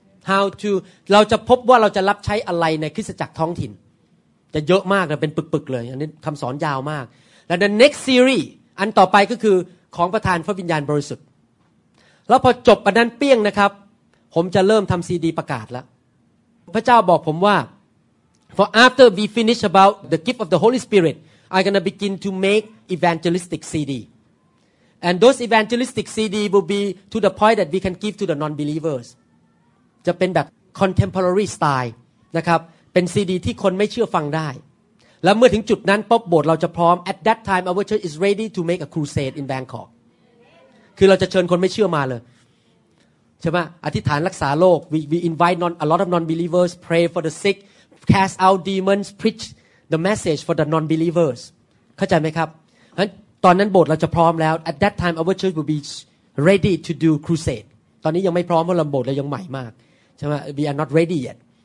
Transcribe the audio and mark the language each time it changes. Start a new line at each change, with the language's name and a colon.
English: How to
Thai: เราจะพบว่าเราจะรับใช้อะไรในคริสตจักรท้องถิ่นจะเยอะมากเลยเป็นปึกๆเลยอันนี้คำสอนยาวมากและ
English: The next series
Thai: อันต่อไปก็คือของประธานพระวิญญาณบริสุทธิ์แล้วพอจบอันนั้นเปี้ยงนะครับผมจะเริ่มทำซีดีประกาศแล้วพระเจ้าบอกผมว่า
English: For after we finish about the gift of the Holy Spirit, I'm going to begin to make evangelistic CD. And those evangelistic CD will be to the point that we can give to the non-believers.
Thai: จะเป็นแบบ contemporary style นะครับเป็น CD ที่คนไม่เชื่อฟังได้แล้วเมื่อถึงจุดนั้นปุ๊บโบสถ์เราจะพร้อม
English: At that time, our church is ready to make a crusade in Bangkok.
Thai: คือเราจะเชิญคนไม่เชื่อมาเลยใช่ไหมอธิษฐานรักษาโรค
English: we invite a lot of non-believers, pray for the sick,cast out demons preach the message for the non believers
Thai: เข้าใจมั้ยครับงั้นตอนนั้นโบสถ์เราจะพร้อมแล้ว
English: at that time our church will be ready to do crusade
Thai: ตอนนี้ยังไม่พร้อมเพราะเราโบสถ์เรายังใหม่มากใช่มั้ย
English: we are not ready yet